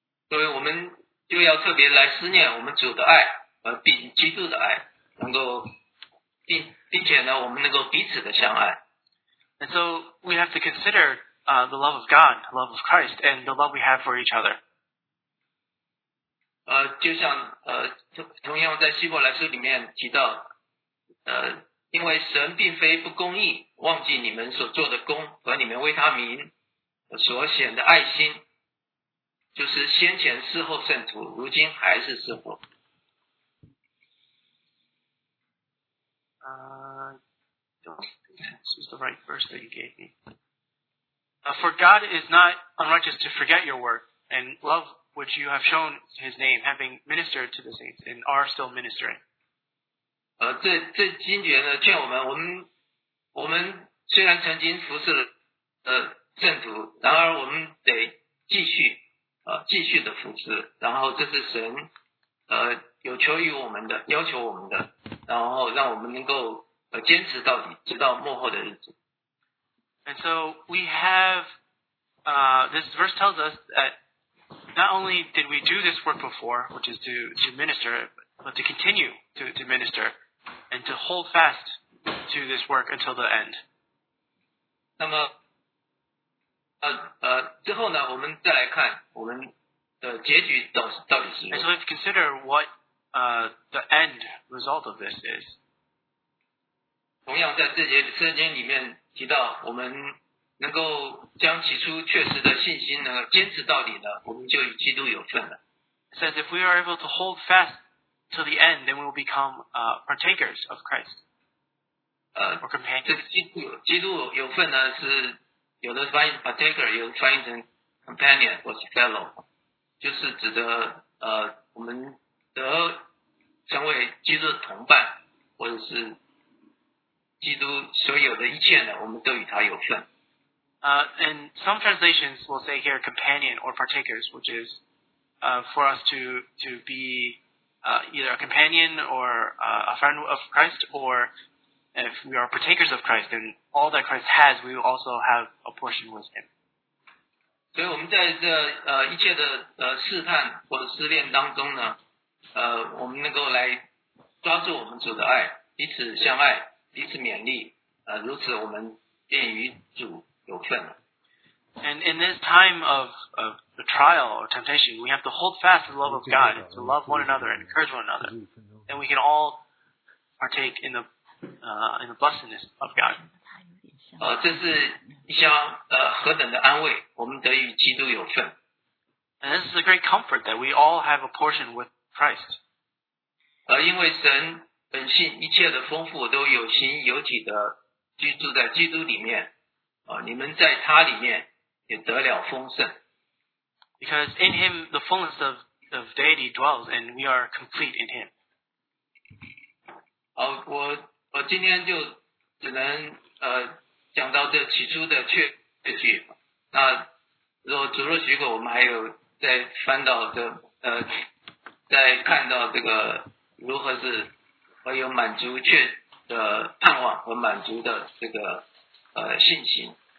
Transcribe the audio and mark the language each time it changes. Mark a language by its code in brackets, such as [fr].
[zh] 所以我们就要特别来思念我们主的爱并基督的爱能够并且呢，我们能够彼此的相爱。 [en] And so we have to consider the love of God, the love of Christ, and the love we have for each other. [zh] 就像同样在希伯来书里面提到，因为神并非不公义，忘记你们所做的功和你们为他名所显的爱心，就是先前事后圣徒，如今还是事后。 [en] This is the right verse that you gave me. For God is not unrighteous to forget your work and love which you have shown his name, having ministered to the saints and are still ministering. [zh] 这经节呢劝我们虽然曾经服侍了圣徒，然而我们得继续的服侍，然后这是神有求于我们的，要求我们的，然后让我们能够坚持到底，直到末后的日子。 [en] And so we have, this verse tells us that not only did we do this work before, which is to minister, but to continue to minister and to hold fast to this work until the end. [zh] 那么，之后呢，我们再来看我们的结局到底是。 [en] And so we have to consider what the end result of this is. [zh] 同样在这节圣经里面提到我们能够将起初确实的信心呢坚持到底的我们就与基督有份了。 [en] It says if we are able to hold fast to the end, then we will become partakers of Christ. Or companions. [zh] 这基督有份呢是有的翻译 partaker, 有翻译成 companion 或是 fellow, 就是指的我们得成为基督的同伴或者是基督所有的一切呢，我们都与他有份。 [en] And some translations will say here companion or partakers, which is for us to be either a companion or a friend of Christ, or if we are partakers of Christ, then all that Christ has, we will also have a portion with him. [zh] 所以我们在这一切的试探或者试炼当中呢，我们能够来抓住我们主的爱，彼此相爱。彼此勉励，如此我们便与主有份了。 [en] And in this time of the trial or temptation, we have to hold fast to the love of God, to love one another and encourage one another, and we can all partake in the blessedness of God. [zh] 这是一项何等的安慰，我们得与基督有份。 [en] And this is a great comfort that we all have a portion with Christ. [zh] 因为神。本性一切的丰富都有形有体的居住在基督里面你们在他里面也得了丰盛。 [en] Because in him the fullness of deity dwells and we are complete in him. [zh] 我今天就只能讲到这起初的确据。那如果主若许可我们还有在翻到的在看到这个如何是我有满足却的盼望和满足的这个信心。